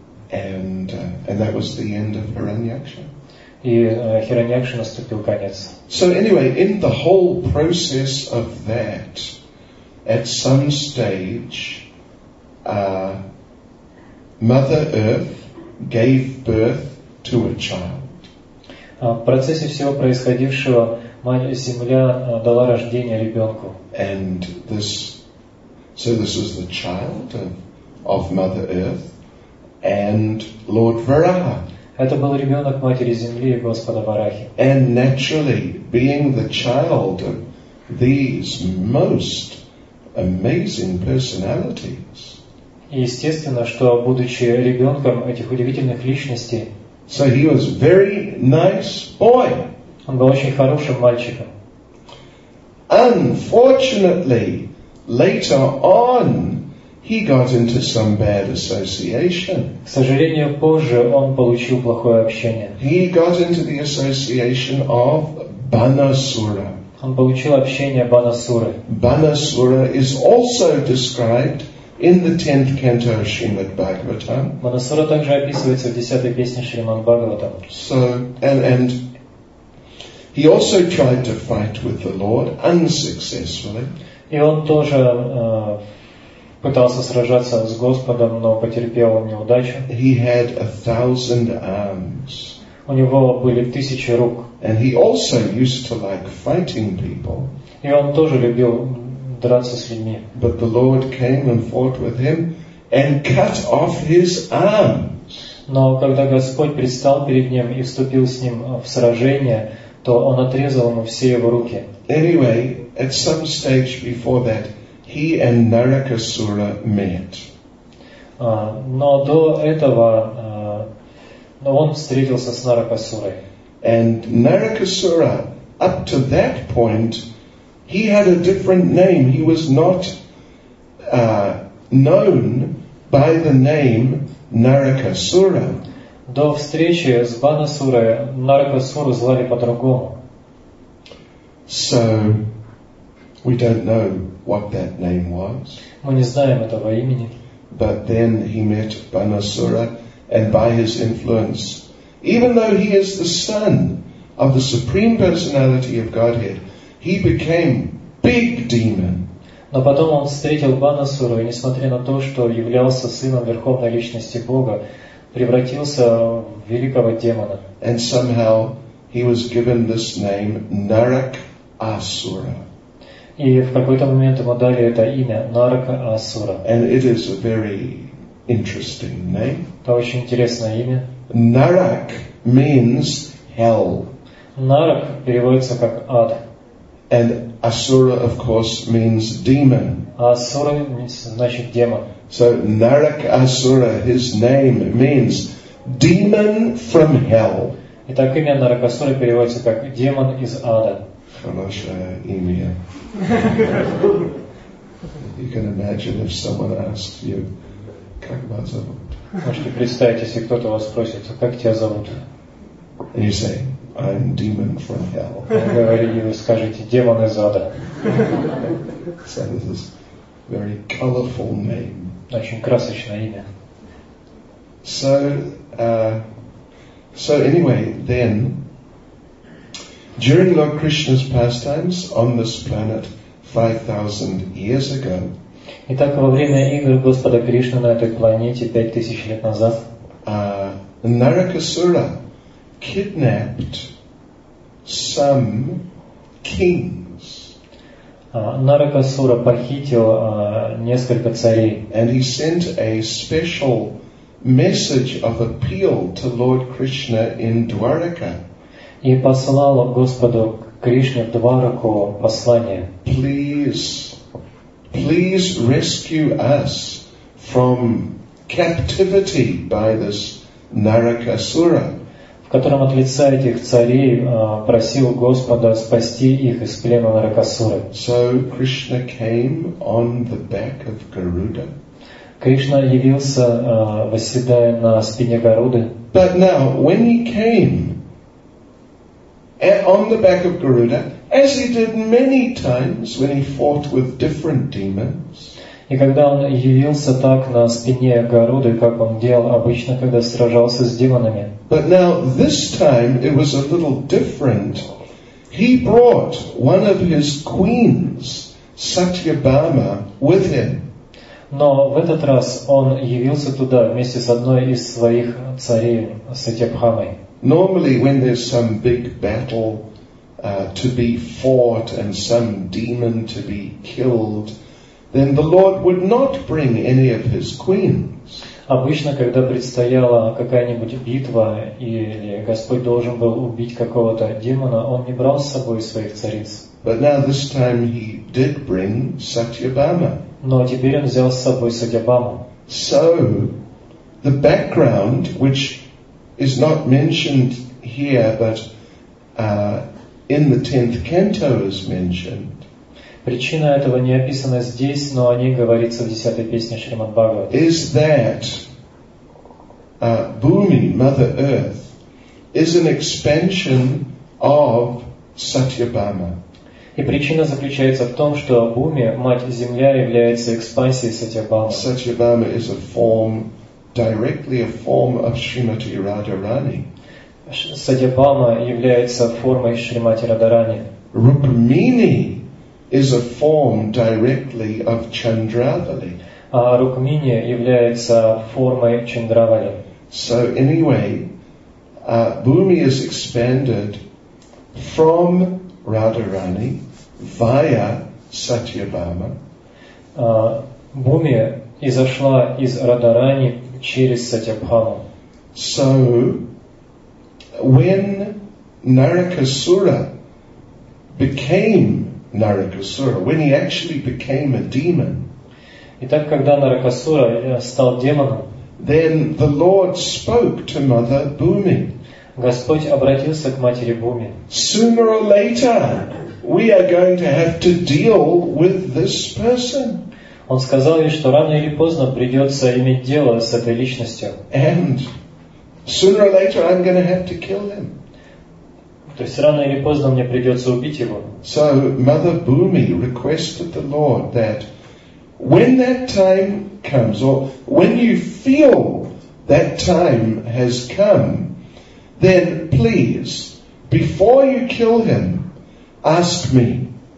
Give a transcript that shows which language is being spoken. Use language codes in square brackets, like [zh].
[en] And that was the end of Hiranyaksha. [ru] И Хираньякше наступил конец. [en] So anyway, in the whole process of that, at some stage, Mother Earth gave birth to a child. [ru] В процессе всего происходившего Мать-Земля дала рождение ребенку. [en] And this, so this is the child of Mother Earth and Lord Varaha. [ru] Это был ребенок Матери Земли и Господа Варахи. [en] And naturally, being the child of these most amazing personalities. [ru] Естественно, что будучи ребенком этих удивительных личностей. [en] So he was very nice boy. [ru] Он был очень хорошим мальчиком. [en] Unfortunately, later on, he got into some bad association. [ru] К сожалению, позже он получил плохое общение. [en] He got into the association of Banasura. [ru] Он получил общение Банасуры. [en] Банасура is also described in the 10th canto of Srimad Bhagavatam. [ru] Банасура также описывается в 10-й песне Шримад Бхагаватам. [en] So, and he also tried to fight with the Lord unsuccessfully. [ru] И он тоже пытался сражаться с Господом, но потерпел неудачу. [en] He had 1,000 arms. [ru] У него были 1,000 рук. [en] And he also used to like fighting people. [ru] И он тоже любил драться с людьми. [en] But the Lord came and fought with him and cut off his arms. [ru] Но когда Господь предстал перед ним и вступил с ним в сражение, то он отрезал ему все его руки. [en] Anyway, at some stage before that, he and Narakasura met. [ru] Но до этого он встретился с Наракасурой. [en] And Narakasura, up to that point, he had a different name. He was not known by the name Narakasura. [ru] До встречи с Банасурой Наракасуру звали по-другому. [en] So, we don't know what that name was. [ru] Мы не знаем этого имени. [en] But then he met Банасура, and by his influence, even though he is the son of the Supreme Personality of Godhead, he became big demon. [ru] Но потом он встретил Банасуру, и несмотря на то, что являлся сыном Верховной Личности Бога, превратился в великого демона. [en] And somehow he was given this name Narakasura. [ru] И в какой-то момент ему дали это имя Наракасура. [en] And it is a very interesting name. [ru] Это очень интересное имя. [en] Narak means hell. [ru] Narak переводится как ад. [en] And Asura, of course, means demon. [ru] Asura значит демон. [en] So Narakasura, his name means demon from hell. [ru] Итак, имя Наракасура переводится как демон из ада. Хорошее имя. [en] You can imagine if someone asks you, [ru] как вас зовут? Можете представить, если кто-то вас спросит, как тебя зовут? [en] And you say, I'm demon from hell. [ru] Говорите, вы скажете, демон из ада. [en] So this is very colorful name. [ru] Очень красочное имя. [en] So, so anyway, then, during Lord Krishna's pastimes on this planet 5,000 years ago. [ru] Итак, во время игр Господа Кришны на этой планете 5,000 лет назад. [en] Narakasura kidnapped some kings. [ru] Наракасура похитил несколько царей. [en] And he sent a special message of appeal to Lord Krishna in Dwaraka. [ru] И послал Господу Кришне в Двараку послание. [en] Please rescue us from captivity by this Narakasura. [ru] В котором от лица этих царей просил Господа спасти их из плена Наракасуры. [en] So Krishna came on the back of Garuda. [ru] Кришна явился, восседая на спине Гаруды. [en] But now, when he came on the back of Garuda, as he did many times when he fought with different demons. [ru] И когда он явился так на спине Гаруды, как он делал обычно, когда сражался с демонами. [en] But now this time it was a little different. He brought one of his queens, Satyabhama, with him. [ru] Но в этот раз он явился туда вместе с одной из своих царей, Сатьябхамой. [en] Normally, when there's some big battle to be fought and some demon to be killed, then the Lord would not bring any of his queens. [ru] Обычно, когда предстояла какая-нибудь битва или Господь должен был убить какого-то демона, он не брал с собой своих цариц. [en] But now this time he did bring Сатьябхама. [ru] Но теперь он взял с собой Сатьябхаму. [en] So the background, which is not mentioned here, but in the 10th canto is mentioned. [ru] Причина этого не описана здесь, но о ней говорится в 10-й песне Шримад-Бхагавата. [en] Is that Bhumi, Mother Earth, is an expansion of Сатьябхама. [ru] И причина заключается в том, что Бхуми, Мать Земля, является экспансией Сатьябхамы. [en] Сатьябхама is a form, directly a form of Shrimati Radharani. [ru] Сатьябхама является формой Шримати Радарани. [en] Рукмини is a form directly of Чандравали. [ru] А Рукмини является формой Чандравали. [en] So anyway, Bhumi is expanded from Radharani via Сатьябхама. [ru] Бхуми изошла из Радарани через Сатьябхаму. [en] So when Narakasura became Narakasura, when he actually became a demon, [ru] итак, когда Наракасура стал демоном, [en] then the Lord spoke to Mother Bhumi. [ru] Господь обратился к матери Бхуми. [en] Sooner or later, we are going to have to deal with this person. [ru] Он сказал ей, что рано или поздно придется иметь дело с этой личностью. [en] And sooner or later, I'm going to have to kill him. [ru] То есть рано или поздно мне придется убить его. [en] So Mother Bhumi requested the Lord that when that time comes, or when you feel that time has come, then please, before you kill him, ask me.